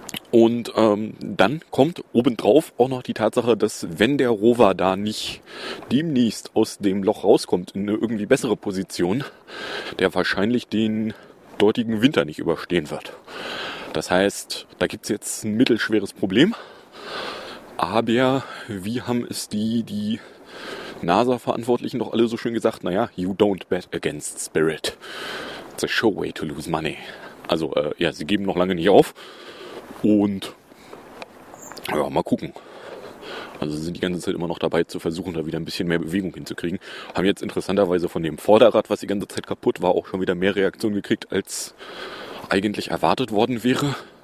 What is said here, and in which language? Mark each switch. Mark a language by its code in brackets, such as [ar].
[de] Und dann kommt obendrauf auch noch die Tatsache, dass wenn der Rover da nicht demnächst aus dem Loch rauskommt in eine irgendwie bessere Position, der wahrscheinlich den dortigen Winter nicht überstehen wird. Das heißt, da gibt es jetzt ein mittelschweres Problem. Aber wie haben es die NASA-Verantwortlichen doch alle so schön gesagt? Naja, [en] you don't bet against Spirit. It's a sure way to lose money. [de] Also, ja, sie geben noch lange nicht auf. Und, ja, mal gucken. Also sind die ganze Zeit immer noch dabei zu versuchen, da wieder ein bisschen mehr Bewegung hinzukriegen. Haben jetzt interessanterweise von dem Vorderrad, was die ganze Zeit kaputt war, auch schon wieder mehr Reaktionen gekriegt, als eigentlich erwartet worden wäre.